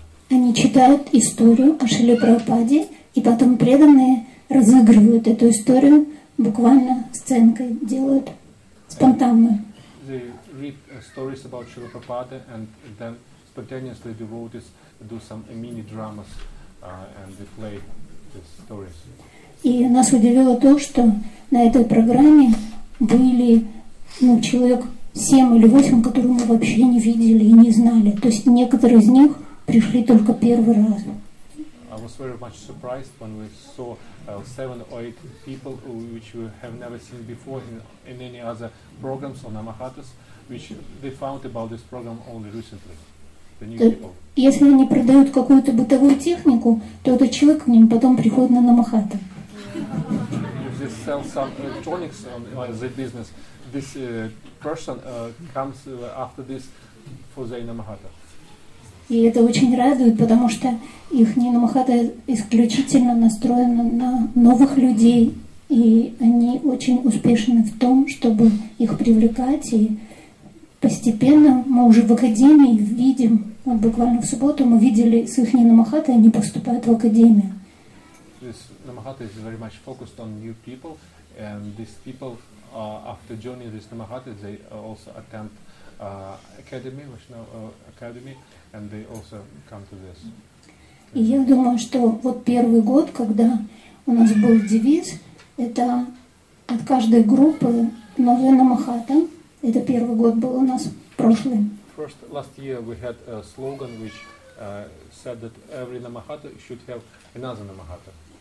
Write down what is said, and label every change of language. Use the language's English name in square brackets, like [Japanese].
[Russian] Они читают историю о Шриле Прабхупаде, и потом преданные разыгрывают эту историю буквально сценкой, делают спонтанно. [English] Read stories about Srila Prabhupada and then spontaneously devotees do some mini dramas and they play the stories. [Russian] И нас удивило то, что на этой программе были человек 7 или 8, которых мы вообще не видели и не знали. То есть некоторые из них пришли только первый раз. [English] I was very much surprised when we saw 7 or 8 people which we have never seen before in any other programs or Namahatas. Which they found about this program only recently. The new people. [Russian] Если они продают какую-то бытовую технику, то этот человек к ним потом приходит на намахату. [English] If they sell some electronics on the business, this person comes after this for the намахата. [Russian] И это очень радует, потому что их намахата исключительно настроена на новых людей, и они очень успешны в том, чтобы их привлекать и постепенно мы уже в академии видим, вот буквально в субботу мы видели с их намахата, они поступают в академию. [English] This намахата is very much focused on new people, and these people after joining this намахата, they also attend academy, academy, and they also come to this. [Russian] И я думаю, что вот первый год, когда у нас был девиз, это от каждой группы новая намахата. Это первый год был у нас прошлый. [English] First last year we had a slogan which said that every намахата should have another намахата.